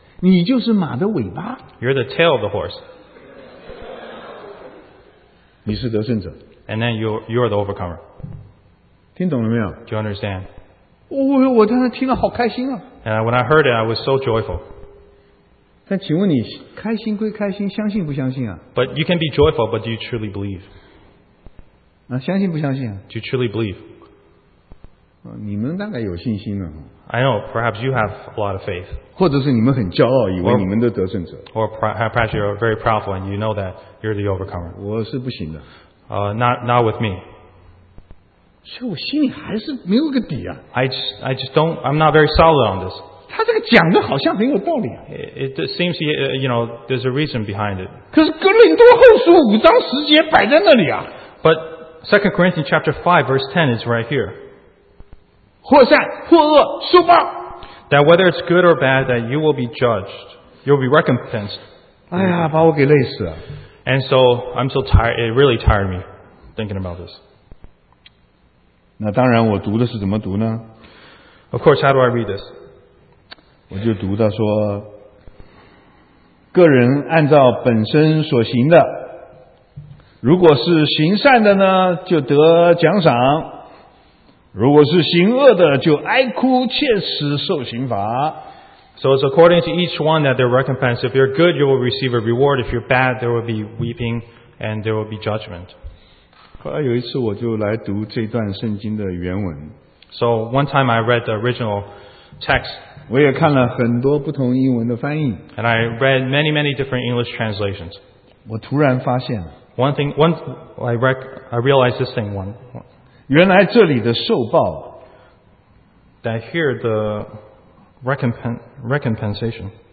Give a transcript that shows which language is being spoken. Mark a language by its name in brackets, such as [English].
[Chinese] 你就是马的尾巴。 [English] You're the tail of the horse. [Chinese] 你是得胜者。 [English] And then you're the overcomer. [Chinese] 听懂了没有? [English] Do you understand? [Chinese] 我当时听了好开心啊。 [English] And when I heard it, I was so joyful. [Chinese] 但请问你开心归开心，相信不相信啊? [English] But you can be joyful, but do you truly believe? [Chinese] 啊，相信不相信啊? [English] Do you truly believe? [Chinese] 你们大概有信心了。 [English] I know, perhaps you have a lot of faith. [Chinese] 或者是你们很骄傲，以为你们都得胜者。 [English] Or perhaps you're very proudful and you know that you're the overcomer. [Chinese] 我是不行的。 [English] Not with me. [Chinese] 所以我心里还是没有个底啊。 [English] I just don't. I'm not very solid on this. [Chinese] 他这个讲的好像很有道理啊。 [English] It seems you know there's a reason behind it. [Chinese] 可是哥林多后书五章十节摆在那里啊。 [English] But Second Corinthians chapter 5 verse 10 is right here. [Chinese] 或善或恶，受报。 [English] That whether it's good or bad, that you will be judged. You'll be recompensed. [Chinese] 哎呀，把我给累死了。 [English] And so I'm so tired. It really tired me thinking about this. [Chinese] 那当然，我读的是怎么读呢 [English] ？Of course, how do I read this? [Chinese] 我就读到说，个人按照本身所行的，如果是行善的呢，就得奖赏； 如果是行恶的，就哀哭切齿受刑罚。 [English] So it's according to each one that they're recompensed. If you're good, you will receive a reward. If you're bad, there will be weeping and there will be judgment. [Chinese] 后来有一次我就来读这段圣经的原文。 [English] So one time I read the original text. [Chinese] 我也看了很多不同英文的翻译。 [English] And I read many, many different English translations. [Chinese] 我突然发现。 [English] One thing, I realized this thing one. [Chinese] 原来这里的受报。 [English] That here the recompensation.